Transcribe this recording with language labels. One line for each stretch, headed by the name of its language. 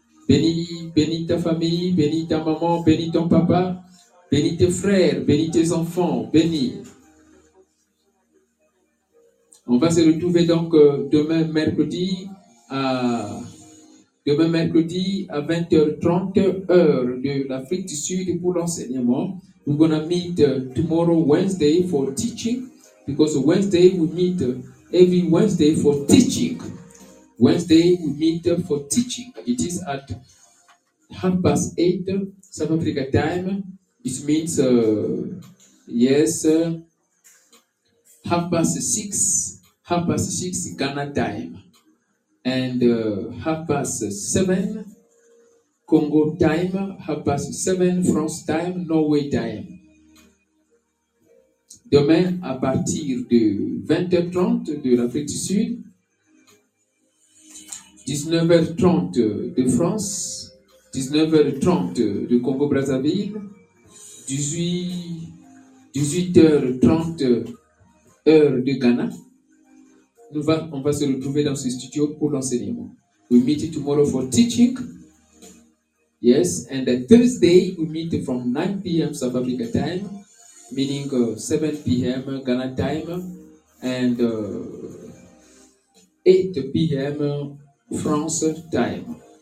French: Bénis ta famille, bénis ta maman, bénis ton papa, bénis tes frères, bénis tes enfants, bénis. On va se retrouver donc demain mercredi à 20h30, heure de l'Afrique du Sud pour l'enseignement.
English: We're going to meet tomorrow Wednesday for teaching, because Wednesday we meet every Wednesday for teaching. Wednesday we meet for teaching. It is at 8:30 South Africa time. It means, 6:30 Ghana time. And 7:30 Congo time, 7:30 France time, Norway time.
French: Demain, à partir de 20h30 de l'Afrique du Sud, 19h30 de France, 19h30 de Congo-Brazzaville, 18h30 heure de Ghana. On va se retrouver dans ce studio pour l'enseignement.
English: We meet tomorrow for teaching. Yes, and on Thursday we meet from 9 p.m. South Africa time, meaning 7 p.m. Ghana time, and 8 p.m. France time.